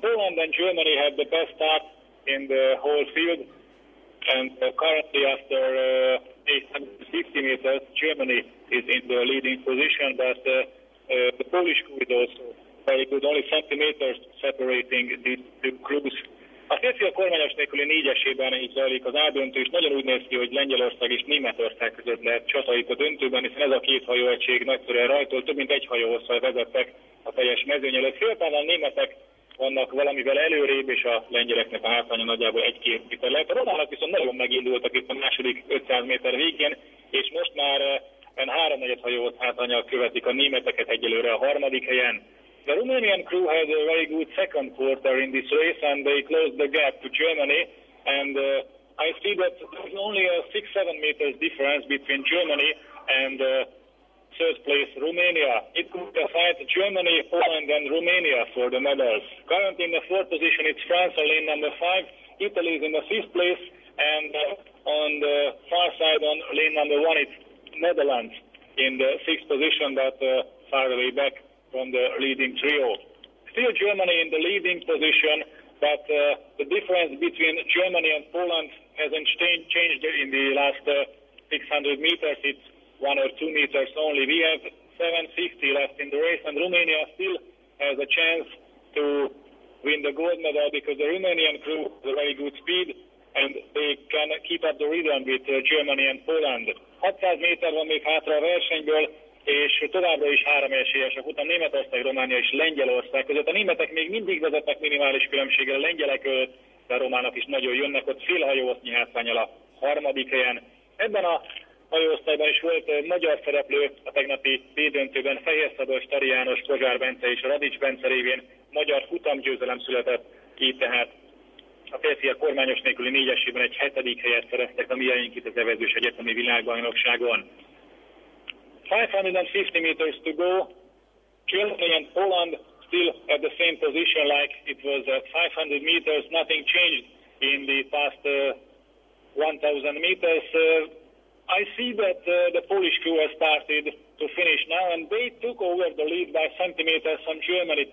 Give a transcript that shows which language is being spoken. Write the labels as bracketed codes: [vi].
[en] Poland and Germany have the best start in the whole field, and currently after 850 meters, Germany is in the leading position, but the Polish crew is also very good, only centimeters separating these two crews. [hu] A férfi a kormányos nélküli négyesében is zajlik az A-döntő, és nagyon úgy néz ki, hogy Lengyelország és Németország között lehet csata itt a döntőben, hiszen ez a két hajóegység nagyszerűen rajtol, több mint egy hajóhosszal vezettek a teljes mezőny előtt. Féltállal németek vannak valamivel előrébb, és a lengyeleknek a hátránya nagyjából egy-két méter lehet. A románok viszont nagyon megindultak itt a második 500 méter végén, és most már en háromnegyed hajót hátránya követik a németeket egyelőre a harmadik helyen. [en] The Romanian crew had a very good second quarter in this race, and they closed the gap to Germany, and I see that there's only a 6-7 meters difference between Germany and third place Romania. It could be a fight Germany, Poland and Romania for the medals. Currently in the fourth position it's France, lane number five. Italy is in the fifth place, and on the far side on lane number one it's Netherlands in the sixth position, but far away back from the leading trio. Still Germany in the leading position, but the difference between Germany and Poland hasn't changed in the last 600 meters. It's 1 or 2 meters only. We have 750 left in the race, and Romania still has a chance to win the gold medal, because the Romanian crew has a very good speed, and they can keep up the rhythm with Germany and Poland. [hu] 600 méter van még hátra a versenyből, és továbbra is három esélyesek után Németország, Románia és Lengyelország között. A németek még mindig vezetnek minimális különbséggel a lengyelek, de a románok is nagyon jönnek, ott fél hajóosztnyi hátrányal a harmadik helyen. Ebben a hajóosztályban is volt magyar szereplő a tegnapi B-döntőben, Fehér Szabó, Stari János, Kozsár Bence és Radics Bence révén magyar futamgyőzelem született ki, tehát a férfi a kormányos nélküli négyesében egy hetedik helyet szereztek a miénk itt az evezős egyetemi világbajnokságon. [en] 550 meters to go. Germany and Poland still at the same position like it was at 500 meters. Nothing changed in the past 1,000 meters. I see that the Polish crew has started to finish now, and they took over the lead by centimeters from Germany.